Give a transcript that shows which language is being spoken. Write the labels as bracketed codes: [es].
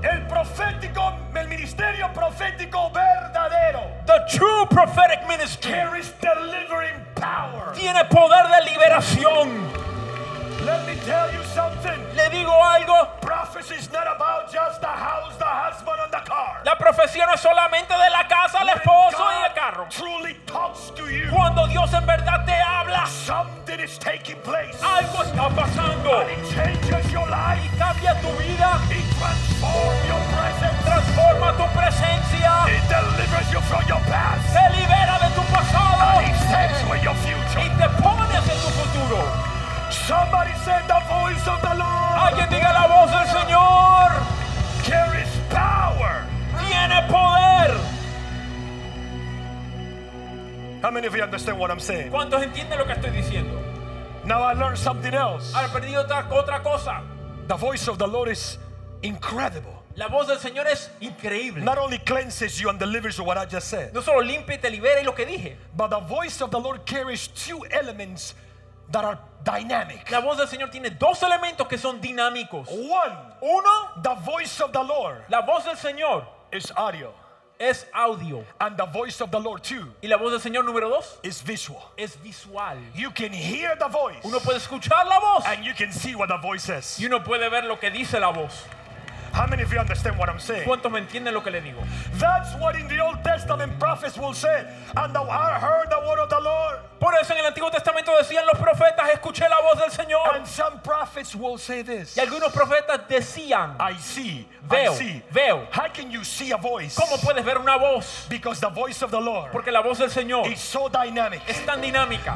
[es] El profético, el ministerio profético verdadero. [en] The true prophetic ministry. Carries delivering power. [es] Tiene poder de liberación. [en] Let me tell you something. [es] Le digo algo. [en] Prophecy is not about just the house, the husband, and the car. [es] La profecía no es solamente de la casa, el esposo y el carro. [en] Truly talks to you. [es] Cuando Dios en verdad te habla, [en] something is taking place. [es] Algo está pasando. [en] And it changes your life. [es] Y cambia tu vida. [en] It transforms your presence. [es] Transforma tu presencia. [en] It delivers you from your past. [es] Te libera de tu pasado. [en] And it sets with your future. [es] Y te pones en tu futuro. [en] Somebody said the voice of the Lord. [es] Alguien diga la voz del Señor. [en] Carries power. [es] Tiene poder. [en] How many of you understand what I'm saying? [es] ¿Cuántos entienden lo que estoy diciendo? [en] Now I learned something else. [es] Ahora aprendí otra cosa. [en] The voice of the Lord is incredible. [es] La voz del Señor es increíble. [en] Not only cleanses you and delivers you what I just said. [es] No solo limpia y te libera y lo que dije. [en] But the voice of the Lord carries two elements that are dynamic. [es] La voz del Señor tiene dos elementos que son dinámicos. [en] One, [es] uno, [en] the voice of the Lord. [es] La voz del Señor [en] is audio. [es] Es audio. [en] And the voice of the Lord two. [es] Y la voz del Señor número dos [en] is visual. [es] Es visual. [en] You can hear the voice. [es] Uno puede escuchar la voz. [en] And you can see what the voice says. [es] Y uno puede ver lo que dice la voz. [en] How many of you understand what I'm saying? [es] ¿Cuántos me entienden lo que le digo? [en] That's what in the Old Testament prophets will say, and I heard the word of the Lord. [es] Por eso en el Antiguo Testamento decían los profetas, escuché la voz del Señor. [en] And some prophets will say this. [es] Y algunos profetas decían, [en] I see, [es] veo, [en] I see, [es] veo. [en] How can you see a voice? [es] ¿Cómo puedes ver una voz? [en] Because the voice of the Lord. [es] Porque la voz del Señor [en] is so dynamic. [es] Es tan dinámica.